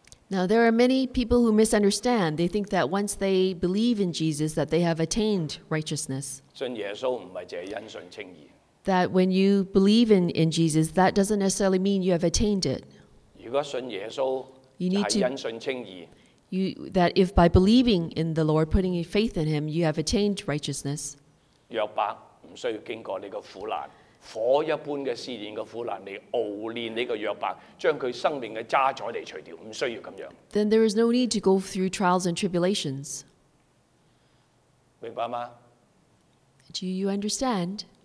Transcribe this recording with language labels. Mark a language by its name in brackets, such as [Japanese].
[English] Now, there are many people who misunderstand. They think that once they believe in Jesus, that they have attained righteousness. [Chinese] 信耶稣不是只是因信称义。 [English] That when you believe in Jesus, that doesn't necessarily mean you have attained it. [Chinese] 如果信耶稣, [English] you need to, [Chinese] 是因信称义, [English] you, that if by believing in the Lord, putting faith in him, you have attained righteousness. [Chinese] 若白不需要经过这个苦难。火一般的试炼的苦难来熬炼这个约伯，将他生命的渣滓来除掉，不需要这样。 [English] Then there is no need to go through trials and tribulations. [Chinese] 明白吗? [English] Do you understand?